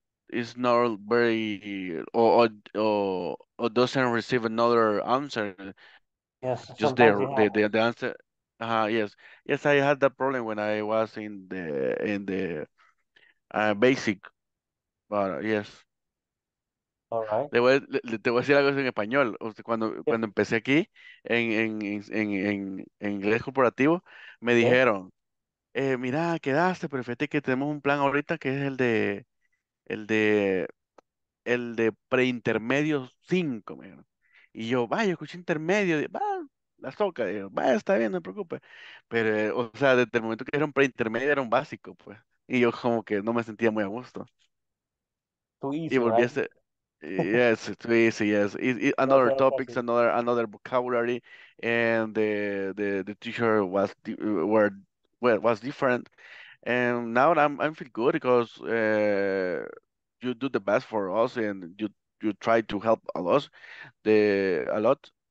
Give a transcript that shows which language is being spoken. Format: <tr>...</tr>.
<en>Is not very or doesn't receive another answer. Yes, just the answer. Yes, I had that problem when I was in the basic, but yes. All right.</en> <es>Te voy a decir algo en español. O sea, cuando empecé aquí en inglés corporativo, me dijeron, mira, quedaste, pero fíjate que tenemos un plan ahorita que es el de preintermedio 5, ¿no? Y yo, vaya, escuché intermedio, va, la soca, digo, va, está bien, no me preocupe. Pero, o sea, desde el momento que era un preintermedio, era un básico, pues. Y yo como que no me sentía muy a gusto.</es> <en>Easy,</en> <es>y volví</es> <en>right?</en> <es>A ser,</es> <en>yes, too easy, yes. Another topics, another vocabulary, and the teacher was different. And now I'm feel good because you do the best for us and you try to help us a lot.</en>